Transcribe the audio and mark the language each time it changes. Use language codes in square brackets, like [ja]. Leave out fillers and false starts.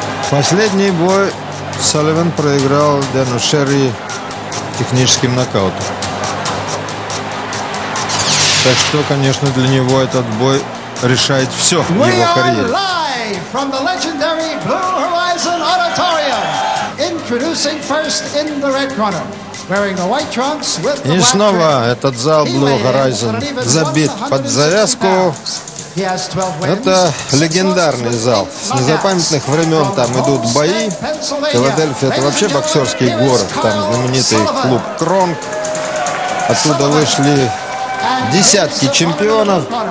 [ru] Последний бой Салливан проиграл Дэну Шерри техническим нокаутом. Так что, конечно, для него этот бой решает все в его карьере. [en] From the legendary Blue Horizon Auditorium, introducing first in the red corner, wearing the white trunks with the black [ru] shirt. И снова этот зал Blue Horizon забит под завязку. Это легендарный зал. С незапамятных времен там идут бои. Филадельфия — это вообще боксерский город. Там знаменитый клуб Кронк. Оттуда вышли десятки чемпионов.